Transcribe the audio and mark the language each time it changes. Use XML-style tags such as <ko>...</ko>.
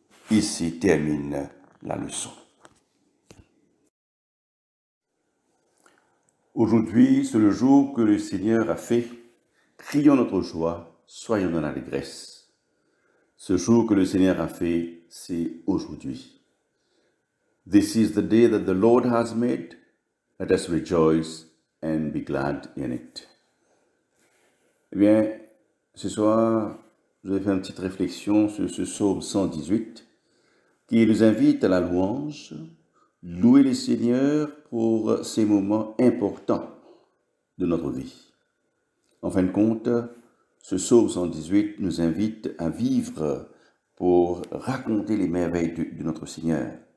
<fr>Ici termine la leçon. Aujourd'hui, c'est le jour que le Seigneur a fait. Crions notre joie, soyons dans l'allégresse. Ce jour que le Seigneur a fait, c'est aujourd'hui.</fr> <en>This is the day that the Lord has made. Let us rejoice and be glad in it.</en> <fr>Eh bien, ce soir, je vais faire une petite réflexion sur ce psaume 118 qui nous invite à la louange. Louer le Seigneur pour ces moments importants de notre vie. En fin de compte, ce psaume 118 nous invite à vivre pour raconter les merveilles de notre Seigneur.</fr>